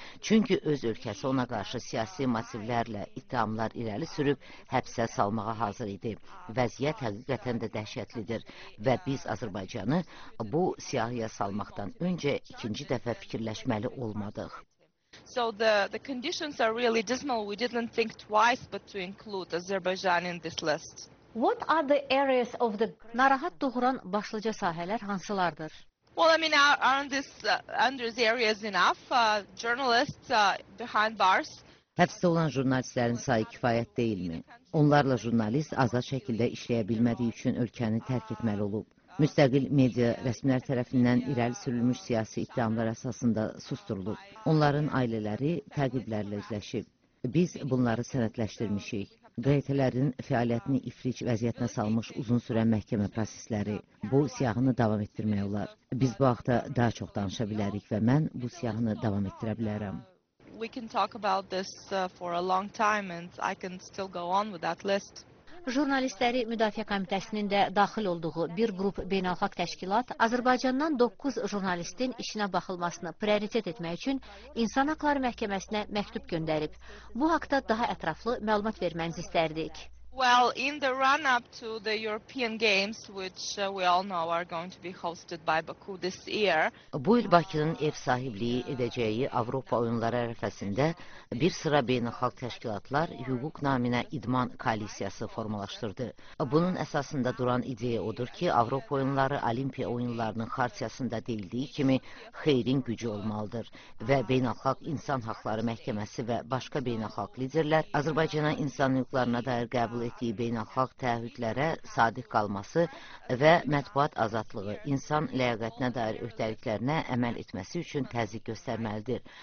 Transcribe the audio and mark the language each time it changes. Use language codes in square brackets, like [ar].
[az] Çünki öz ölkəsi ona qarşı siyasi motivlərlə ittihamlar irəli sürüb həbsə salmağa hazır idi. Vəziyyət həqiqətən də dəhşətlidir və biz Azərbaycanı bu siyahıya salmaqdan öncə ikinci dəfə fikirləşməli olmadıq. [en] So the conditions are really dismal. We didn't think twice but to include Azerbaijan in this list. What are the areas of the [az] narahat doğuran başlıca sahələr hansılardır? [en] Well, I mean, aren't these areas enough? Journalists behind bars. [az] Həbsdə olan jurnalistlərin sayı kifayət deyilmi? Onlarla jurnalist azad şəkildə işləyə bilmədiyi üçün ölkəni tərk etməli olub. Müstəqil media rəsmilər tərəfindən irəli sürülmüş siyasi ittihamlar əsasında susdurulub. Onların ailələri təqiblərlə üzləşib. Biz bunları sənədləşdirmişik. QT-lərin fəaliyyətini ifric vəziyyətinə salmış uzun sürən məhkəmə prosesləri bu siyahını davam etdirmək olar. Biz bu haqda daha çox danışa bilərik və mən bu siyahını davam etdirə bilərəm. [en] We can talk about this for a long time and I can still go on with that list. [az] Jurnalistləri Müdafiə Komitəsinin də daxil olduğu bir qrup beynəlxalq təşkilat Azərbaycandan 9 jurnalistin işinə baxılmasını prioritet etmək üçün İnsan Haqları Məhkəməsinə məktub göndərib. Bu haqda daha ətraflı məlumat verməyinizi istərdik. [en] Well, in the run-up to the European Games, which we all know are going to be hosted by Baku this year. [az] Bu il Bakı'nın ev sahipliği edeceği Avrupa oyunları ərəfəsində bir sıra beynəlxalq təşkilatlar hüquq naminə idman koalisiyası formalaşdırdı. Bunun əsasında duran ideya odur ki, Avropa oyunları Olimpiya oyunlarının xartiyasında deyildiyi kimi xeyrin gücü olmalıdır və Beynəlxalq İnsan Haqları Məhkəməsi və başqa beynəlxalq liderlər Azərbaycana insan hüquqlarına dair qəbul etdiyi beynəlxalq təəhüdlərə sadiq qalması və mətbuat azadlığı, insan ləyaqətinə dair öhdəliklərinə əməl etməsi üçün təzyiq göstərməlidir.